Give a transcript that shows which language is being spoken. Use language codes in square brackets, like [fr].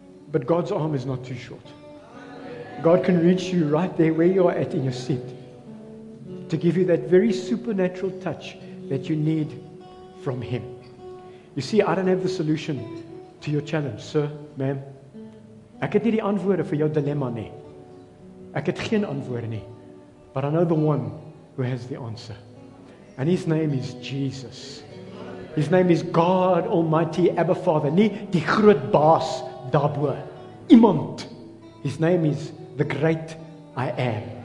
[en] But God's arm is not too short. God can reach you right there where you are at in your seat to give you that very supernatural touch that you need from Him. You see, I don't have the solution to your challenge, sir, ma'am. [af] Ek het nie die antwoorde vir jou dilemma nie. Ek het geen antwoorde nie. [en] But I know the one who has the answer. And His name is Jesus. His name is God Almighty, Abba Father. [af] Nie die groot baas daarbo. Iemand. [en] His name is the great I am.